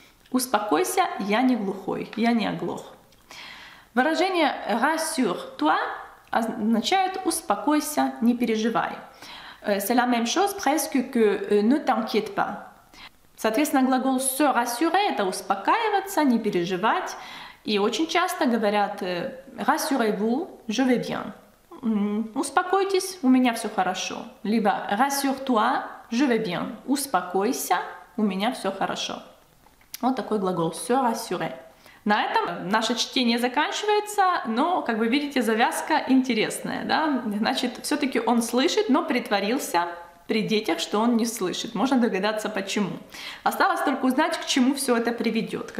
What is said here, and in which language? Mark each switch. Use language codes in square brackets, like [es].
[ru] Успокойся, я не глухой, я не оглох. Выражение rassure-toi – означает «успокойся, не переживай». [fr] C'est la même chose presque que «ne t'inquiète pas». [ru] Соответственно, глагол «se rassurer» – это успокаиваться, не переживать. И очень часто говорят [fr] «rassurez-vous, je vais bien». [ru] «Успокойтесь, у меня все хорошо». Либо [fr] «rassure-toi, je vais bien». [ru] «Успокойся, у меня все хорошо». Вот такой глагол «se rassurer». На этом наше чтение заканчивается, но, как вы видите, завязка интересная, да? Значит, все-таки он слышит, но притворился при детях, что он не слышит. Можно догадаться, почему. Осталось только узнать, к чему все это приведет.